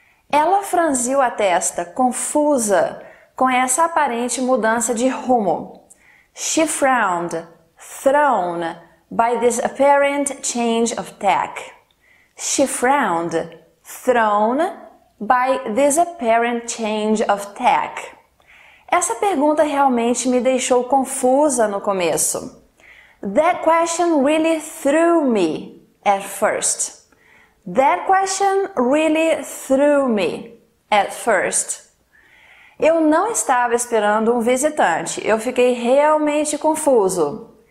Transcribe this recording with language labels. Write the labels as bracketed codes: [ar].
[pt] Ela franziu a testa, confusa, com essa aparente mudança de rumo. [en] She frowned, thrown by this apparent change of tack. She frowned, thrown by this apparent change of tack. [pt] Essa pergunta realmente me deixou confusa no começo. [en] That question really threw me at first. That question really threw me at first. [pt] Eu não estava esperando um visitante. Eu fiquei realmente confuso.